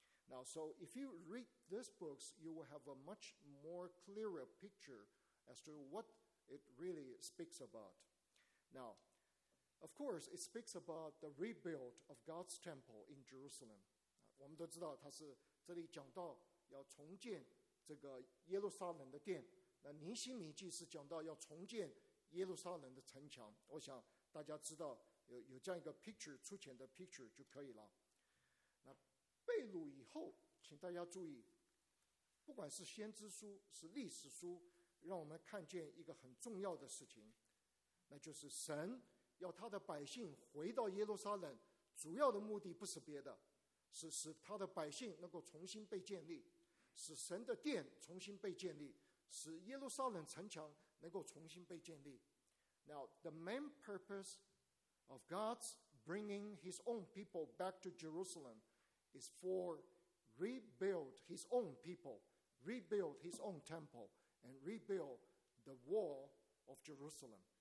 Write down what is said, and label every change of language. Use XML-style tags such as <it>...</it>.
<en>Now, so if you read these books, you will have a much more clearer picture as to what it really speaks about. Now, of course, it speaks about the rebuild of God's temple in Jerusalem.</en> <zh>我们都知道它是这里讲到要重建这个耶路撒冷的殿。那尼希米记是讲到要重建耶路撒冷的城墙。我想大家知道有这样一个 picture, 粗浅的 picture 就可以了。被掳以后，请大家注意，不管是先知书是历史书，让我们看见一个很重要的事情，那就是神要他的百姓回到耶路撒冷，主要的目的不是别的，是使他的百姓能够重新被建立，使神的殿重新被建立，使耶路撒冷城墙能够重新被建立。</zh> <en>Now the main purpose of God's bringing his own people back to Jerusalemis for rebuild his own people, rebuild his own temple, and rebuild the wall of Jerusalem.</en>